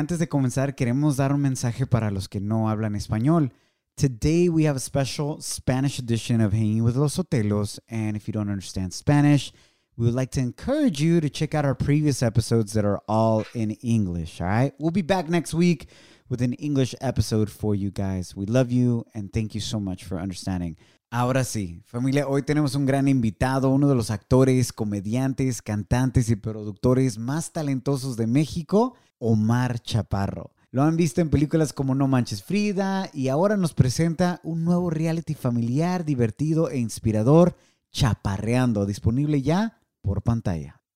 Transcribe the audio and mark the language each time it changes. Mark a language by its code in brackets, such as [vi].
[es] Antes de comenzar, queremos dar un mensaje para los que no hablan español. [en] Today, we have a special Spanish edition of Hanging with Los Sotelos. And if you don't understand Spanish, we would like to encourage you to check out our previous episodes that are all in English. All right. We'll be back next week with an English episode for you guys. We love you and thank you so much for understanding. [es] Ahora sí, familia, hoy tenemos un gran invitado, uno de los actores, comediantes, cantantes y productores más talentosos de México, Omar Chaparro. Lo han visto en películas como No Manches Frida y ahora nos presenta un nuevo reality familiar, divertido e inspirador, Chaparreando, disponible ya por pantalla.